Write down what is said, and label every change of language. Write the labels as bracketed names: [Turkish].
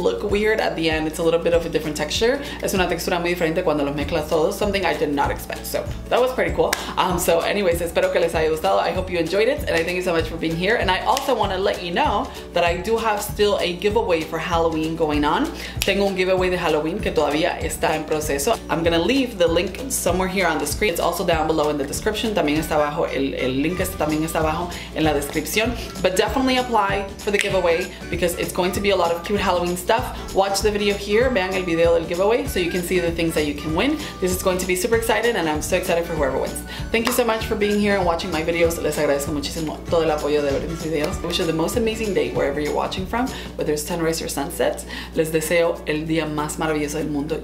[English] Weird at the end, it's a little bit of a different texture. [Spanish] Es una textura muy diferente cuando los mezclas todos, [English] something I did not expect. So that was pretty cool. So anyways, [Spanish] espero que les haya gustado. [English] I hope you enjoyed it and I thank you so much for being here. And I also want to let you know that I do have still a giveaway for Halloween going on. [Spanish] Tengo un giveaway de Halloween que todavía está en proceso. [English] I'm gonna leave the link somewhere here on the screen. It's also down below in the description. [Spanish] También está abajo, el link también está abajo en la descripción. [English] But definitely apply for the giveaway because it's going to be a lot of cute Halloween stuff. Watch the video here, [Spanish] vean el video del giveaway, [English] so you can see the things that you can win. This is going to be super excited and I'm so excited for whoever wins. Thank you so much for being here and watching my videos. [Spanish] Les agradezco muchísimo todo el apoyo de ver mis videos. [English] I wish you the most amazing day wherever you're watching from, whether it's sunrise or sunset. [Spanish] Les deseo el día más maravilloso del mundo.